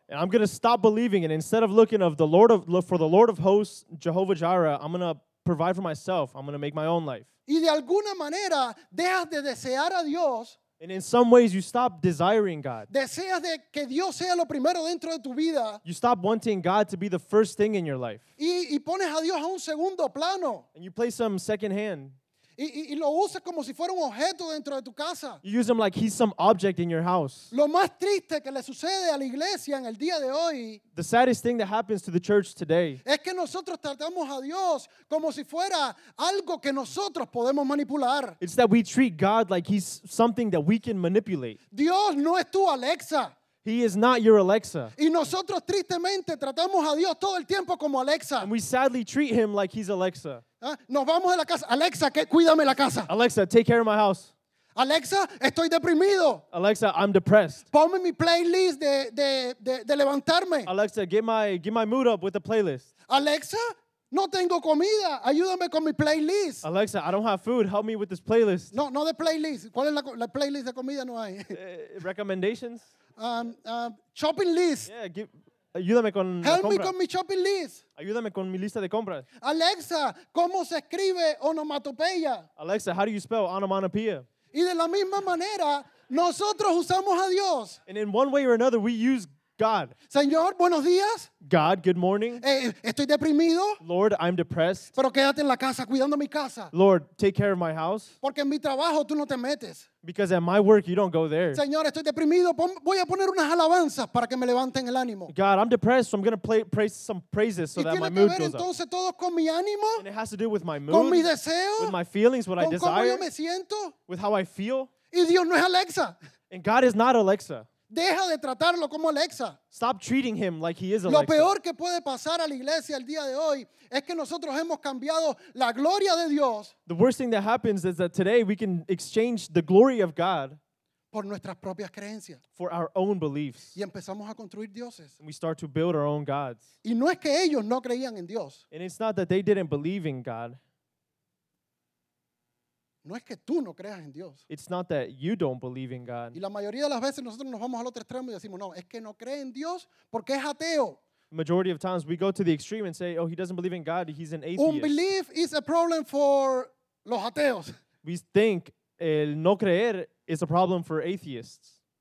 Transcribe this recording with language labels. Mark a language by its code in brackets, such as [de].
[en] And I'm going to stop believing, and instead of looking of the Lord of look for the Lord of hosts, Jehovah Jireh, I'm going to provide for myself. I'm going to make my own life. [es] Y de alguna manera dejas de desear a Dios. [en] And in some ways, you stop desiring God. [es] Deseas de que Dios sea lo primero dentro de tu vida. [en] You stop wanting God to be the first thing in your life. [es] Y pones a Dios a un segundo plano. [en] And you place him second hand. [es] Y lo usas como si fuera un objeto dentro de tu casa. [en] You use him like he's some object in your house. [es] Lo más triste que le sucede a la iglesia en el día de hoy. [en] The saddest thing that happens to the church today. [es] Es que nosotros tratamos a Dios como si fuera algo que nosotros podemos manipular. [en] It's that we treat God like he's something that we can manipulate. [es] Dios no es tu Alexa. [en] He is not your Alexa. [es] Y nosotros tristemente tratamos a Dios todo el tiempo como Alexa. [en] And we sadly treat him like he's Alexa. [es] Nos vamos de la casa. Alexa, cuídame la casa. [en] Alexa, take care of my house. [es] Alexa, estoy deprimido. [en] Alexa, I'm depressed. [es] Ponme mi playlist de levantarme. [en] Alexa, get my mood up with the playlist. [es] Alexa, no tengo comida. Ayúdame con mi playlist. [en] Alexa, I don't have food. Help me with this playlist. [es] No, no de playlist. ¿Cuál es la playlist de comida? No hay. [en] Recommendations? Shopping list. [es] Yeah, ayúdame con [en] help me con mi shopping list. [es] Ayúdame con mi lista de compras. Alexa, ¿cómo se escribe onomatopeya? [en] Alexa, how do you spell onomatopoeia? [es] Y de la misma manera, nosotros usamos a Dios. [en] And in one way or another, we use God. [es] Señor, buenos días. [en] God, good morning. [es] Estoy deprimido. [en] Lord, I'm depressed. [es] Pero quédate en la casa cuidando mi casa. [en] Lord, take care of my house. [es] Porque en mi trabajo tú no te metes. [en] Because at my work you don't go there. [es] Señor, estoy deprimido. Voy a poner unas alabanzas para que me levanten el ánimo. [en] God, I'm depressed, so I'm gonna praise some praises so that my mood goes up. [es] Entonces todo con mi ánimo. [en] And it has to do with my mood. [es] Con mi deseo. [en] With my feelings, what [es] con [en] I desire. [es] Con cómo yo me siento. [en] With how I feel. [es] Y Dios no es Alexa. [en] And God is not Alexa. [es] Deja de tratarlo como Alexa. [en] Stop treating him like he is Alexa. [es] Lo peor que puede pasar a la iglesia el día de hoy es que nosotros hemos cambiado la gloria de Dios. [en] The worst thing that happens is that today we can exchange the glory of God [es] por nuestras propias creencias. [en] For our own beliefs. [es] Y empezamos a construir dioses. [en] And we start to build our own gods. [es] Y no es que ellos no creían en Dios. [en] And it's not that they didn't believe in God. [es] No es que tú no creas en Dios. [en] It's not that you don't believe in God. [es] Y la mayoría de las veces nosotros nos vamos al otro extremo y decimos, no, es que no cree en Dios porque es ateo. [en] Majority of times we go to the extreme and say, oh, he doesn't believe in God, he's an atheist. Unbelief is a problem for los ateos. We think el no creer is a problem for atheists.